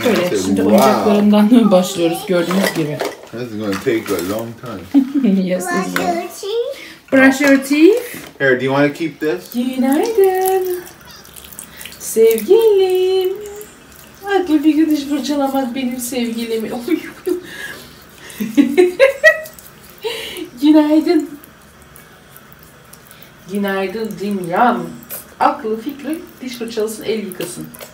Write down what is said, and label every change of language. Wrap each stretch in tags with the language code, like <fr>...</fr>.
<tr>Evet, şimdi oyuncaklarından başlıyoruz gördüğünüz gibi.</tr> <en>This is going to take a long time. Yes, this is right. Brush your teeth. Here, do you want to keep this?</en> <tr>Günaydın. Sevgilim. Aklı bir gün hiç fırçalamaz benim sevgilimi. Günaydın. Günaydın dünyam. Aklı fikri diş fırçalasın el yıkasın.</tr>